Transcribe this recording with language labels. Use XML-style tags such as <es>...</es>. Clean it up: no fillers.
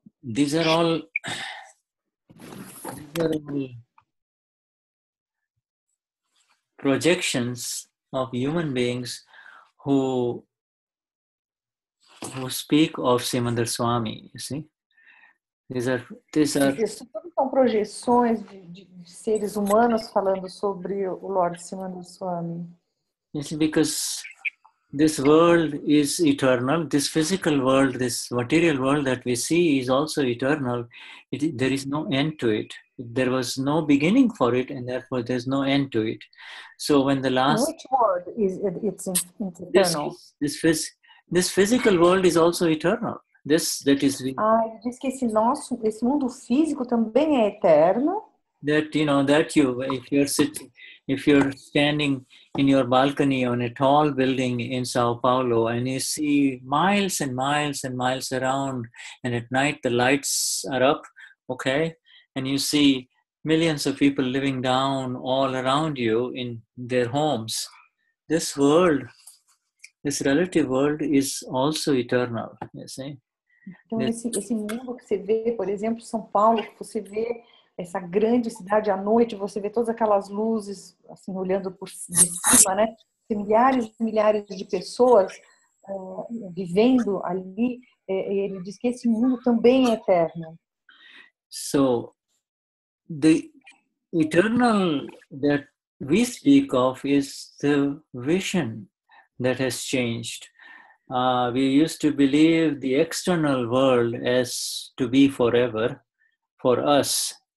<en>These are all projections of human beings who speak of Simandar Swami, you see? These are</en> <pt>são projeções de seres humanos falando sobre o Lord Simandar Swami.</pt> <en>You see, because this world is eternal, this physical world, this material world that we see is also eternal. There is no end to it. There was no beginning for it, and therefore there's no end to it. So when the last... Which world is it? It's eternal. This physical world is also eternal. This, that is...</en> <pt>Ele diz que esse mundo físico também é eterno.</pt> <en>That, you know, that you, if you're sitting, If you're standing in your balcony on a tall building in Sao Paulo and you see miles and miles and miles around, and at night the lights are up, okay, and you see millions of people living down all around you in their homes, this world, this relative world is also eternal, you see?</en> <pt>Então, esse mundo que você vê, por exemplo, São Paulo, você vê essa grande cidade à noite, você vê todas aquelas luzes, assim, olhando por de cima, né? Tem milhares e milhares de pessoas vivendo ali, e ele diz que esse mundo também é eterno.</pt> <en>So, the eternal that we speak of is the vision that has changed. We used to believe the external world as to be forever for us.</en>